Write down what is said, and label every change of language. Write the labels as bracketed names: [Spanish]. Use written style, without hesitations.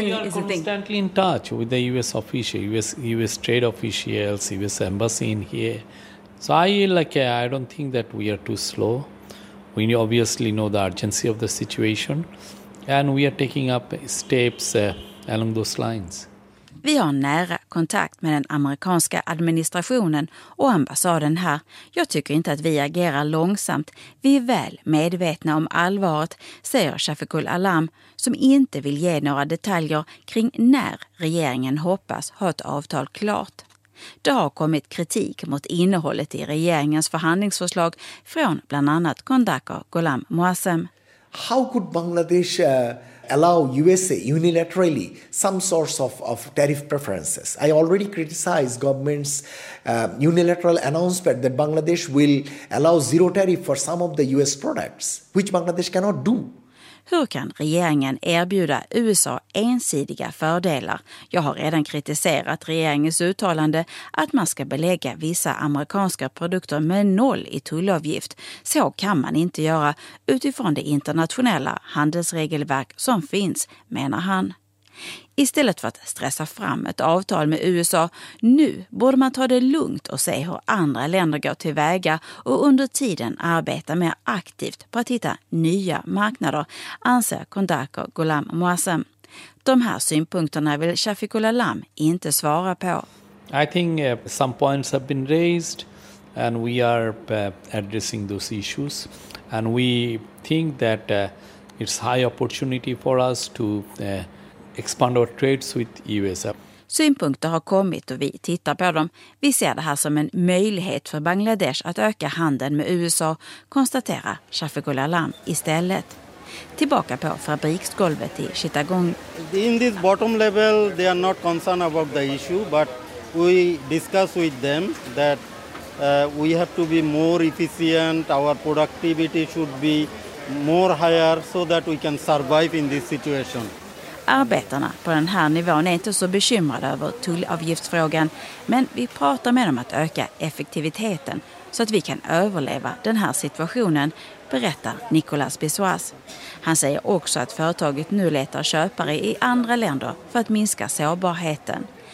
[English] Constantly in touch with the US officials, US trade officials, US embassy in here. So I don't think that we are too slow. We obviously know the urgency of the situation and we are taking up steps along those lines. [Swedish] Vi har nära kontakt med den amerikanska administrationen och ambassaden här. Jag tycker inte att vi agerar långsamt. Vi är väl medvetna om allvaret, säger Shafiqul Alam, som inte vill ge några detaljer kring när regeringen hoppas ha ett avtal klart. Det har kommit kritik mot innehållet i regeringens förhandlingsförslag från bland annat Kondaka Ghulam Moazzam. [English] How could Bangladesh allow USA unilaterally some sorts of tariff preferences? I already criticized government's unilateral announcement that Bangladesh will allow zero tariff for some of the US products, which Bangladesh cannot do. [Swedish] Hur kan regeringen erbjuda USA ensidiga fördelar? Jag har redan kritiserat regeringens uttalande att man ska belägga vissa amerikanska produkter med noll i tullavgift. Så kan man inte göra utifrån det internationella handelsregelverk som finns, menar han. Istället för att stressa fram ett avtal med USA, nu borde man ta det lugnt och se hur andra länder går tillväga och under tiden arbeta mer aktivt på att hitta nya marknader, anser Kondaka Ghulam Moazzam. De här synpunkterna vill Shafiqul Alam inte svara på. [English] I think some points have been raised and we are addressing those issues and we think that it's high opportunity for us to expand our trades with USA. [Swedish] Synpunkter har kommit och vi tittar på dem. Vi ser det här som en möjlighet för Bangladesh att öka handeln med USA, konstaterar Shafiqul Alam istället. Tillbaka på fabriksgolvet i Chittagong. [English] In this bottom level they are not concerned about the issue, but we discuss with them that we have to be more efficient, our productivity should be more higher so that we can survive in this situation. [Swedish] Arbetarna på den här nivån är inte så bekymrade över tullavgiftsfrågan, men vi pratar med dem att öka effektiviteten så att vi kan överleva den här situationen, berättar Nicolas Bissois. Han säger också att företaget nu letar köpare i andra länder för att minska sårbarheten.